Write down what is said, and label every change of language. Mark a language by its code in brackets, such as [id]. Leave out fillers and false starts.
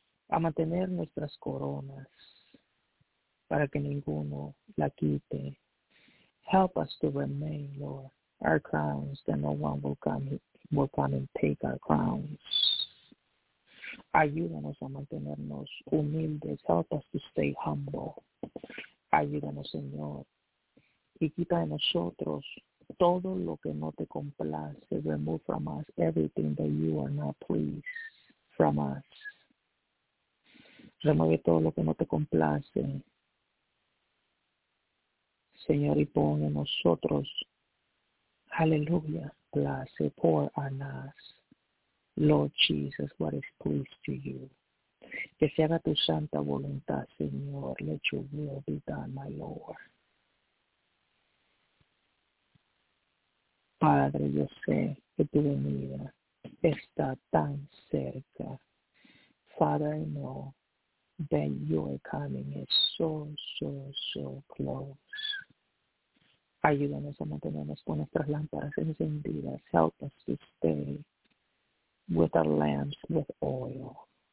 [es] A mantener nuestras coronas para que ninguno la quite. [en] Help us to remain, Lord, our crowns, that no one will come and take our crowns. [es] Ayúdanos a mantenernos humildes. [en] Help us to stay humble. [es] Ayúdanos, Señor. Y quita de nosotros todo lo que no te complace. [en] Remove from us everything that you are not pleased from us. [es] Remueve todo lo que no te complace. Señor, y pon en nosotros, aleluya, [en] place, pour on us. Lord Jesus, what is pleased to you. [es] Que se haga tu santa voluntad, Señor. [en] Let your will be done, my Lord. [es] Padre, yo sé que tu venida está tan cerca. [en] Father, I know that your coming is so, so, so close. [es] Ayúdanos a mantenernos con nuestras lámparas encendidas. [en] Help us to stay with our lamps, with oil.